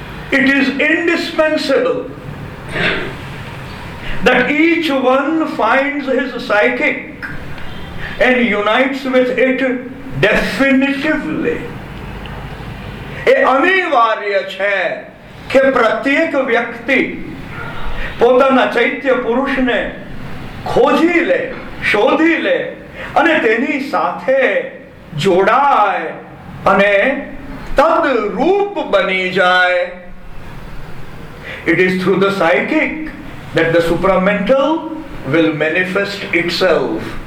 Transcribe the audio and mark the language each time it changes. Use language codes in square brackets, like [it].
[en] It is indispensable that each one finds his psychic and unites with it definitively. [gu] એ અનિવાર્ય છે કે પ્રત્યેક વ્યક્તિ પોતાના ચૈત્ય પુરુષને ખોજી લે, શોધી લે અને તેની સાથે જોડાય અને તદરૂપ બની જાય. [en] It is through the psychic that the supramental will manifest itself.